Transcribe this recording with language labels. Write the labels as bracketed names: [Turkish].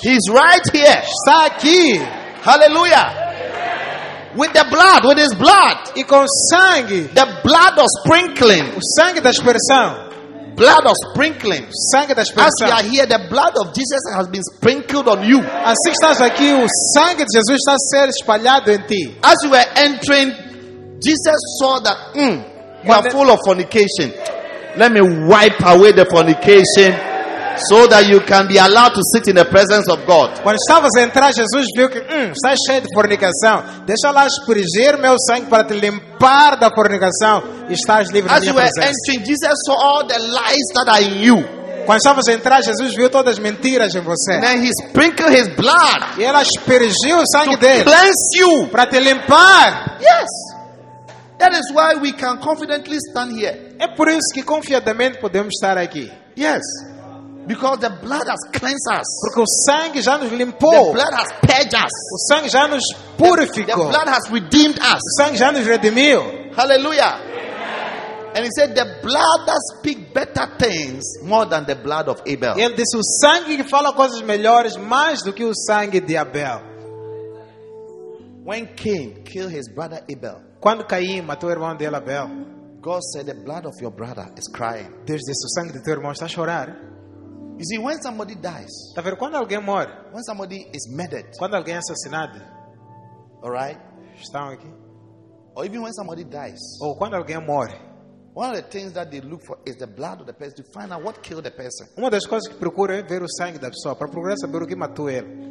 [English] he's right here, [Portuguese] está aqui, [English] hallelujah. With the blood, with his blood. [Portuguese] E com sangue. [English] The blood of sprinkling. [Portuguese] O sangue da expressão. [English] Blood of sprinkling. [Portuguese] Sangue da expressão. [English] As you are here, the blood of Jesus has been sprinkled on you. [Portuguese] Assim que estás aqui, o sangue de Jesus está a ser espalhado em ti. [English] As you were entering, Jesus saw that you are full of fornication. Let me wipe away the fornication. So that you can be allowed to sit in the presence of God. [Portuguese] Quando estavas a entrar, Jesus viu que está cheio de fornicação. Deixa lá espregir meu sangue para te limpar da fornicação e estás livre da minha presença. [English] As you were entering, Jesus saw all the lies that are in you. [Portuguese] Quando estavas a entrar, Jesus viu todas as mentiras em você. [English] Then he sprinkled his blood. [Portuguese] E ela espregiu o sangue dele. [English] To cleanse you. [Portuguese] Para te limpar. [English] Yes. That is why we can confidently stand here. [Portuguese] É por isso que confiadamente podemos estar aqui. [English] Yes. Because the blood has cleansed us. [Portuguese] Porque o sangue já nos limpou. [English] The blood has purged us. [Portuguese] O sangue já nos purificou. [English] The blood has redeemed us. [Portuguese] O sangue já nos redimiu. [English] Hallelujah. Amen. And he said, the blood that speaks better things more than the blood of Abel. [Portuguese] Ele disse, o sangue que fala coisas melhores mais do que o sangue de Abel. [English] When Cain killed his brother Abel, [Portuguese] quando Caim matou o irmão dele Abel, [English] God said, the blood of your brother is crying. [Portuguese] Deus disse, o sangue do teu irmão está a chorar. [English] You see, when somebody dies, [Portuguese] tá vendo, quando alguém morre, [English] when somebody is murdered, [Portuguese] quando alguém é assassinado, [English] all right, [Portuguese] estão aqui. [English] Or even when somebody dies, [Portuguese] ou quando alguém morre, [English] one of the things that they look for is the blood of the person to find out what killed the person. [Portuguese] Uma das coisas que procura é ver o sangue da pessoa para procurar saber o que matou ele.